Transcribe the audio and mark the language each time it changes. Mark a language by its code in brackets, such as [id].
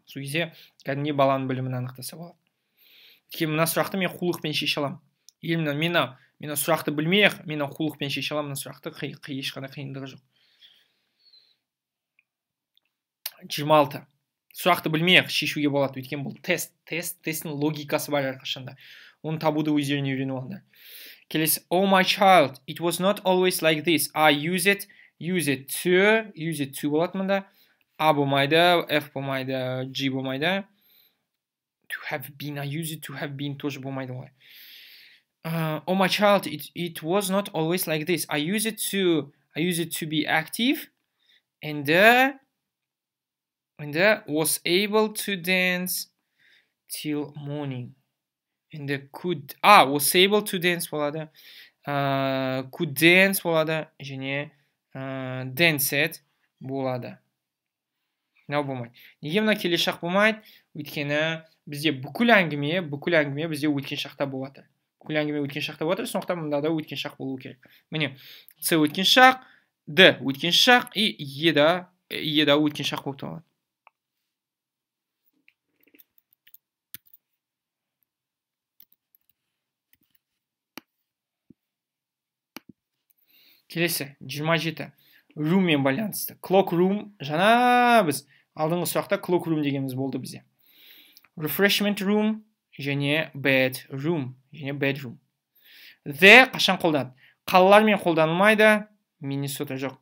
[kk] Сол кезде кәдімгі баланың білімін анықтаса болады. Өйткені мына сұрақты мен қулықпен шеше аламын. Егер мен сұрақты білмей ақ, мен қулықпен шеше аламын. Мына сұрақты ешқандай қиындығы жоқ. 26. Сұрақты білмей-ақ шешуге болады, өйткені бұл тест. Тесттің логикасы бар әрқашанда. Оны табуды өздеріне үйрену алында. Келесі, [en] oh my child, it was not always like this. I use it to [kk] болады мұнда. A болмайды, F болмайды, G болмайды. [en] To have been, I use it to have been, [kk] тоже болмайды олай. [en] Oh my child, it was not always like this. I use it to be active. And I was able to dance till morning. And I could... was able to dance, [kk] болады. [en] Could dance, болады. [kk] Және dance it, болады. Нау болмайды. Неге мұна келе шақ болмайды? Өйткені бізде бүкіл әңгіме бізде өткен шақта болады. Бүкіл әңгіме өткен шақта болады. Сонықта мұнда да өткен шақ болу керек. Міне, C өткен шақ, D өткен шақ, E да өткен шақ болып тұрады. Келесі, 27. Room мен байланысты. [en] Clock room. [kk] Жана біз алдыңғы сұрақта clock room дегеніміз болды бізде. [en] Refreshment room. [kk] Және [en] bed room. Және bed room. [kk] The қашан қолданды. Қалалар мен қолданылмайды. Minnesota жоқ.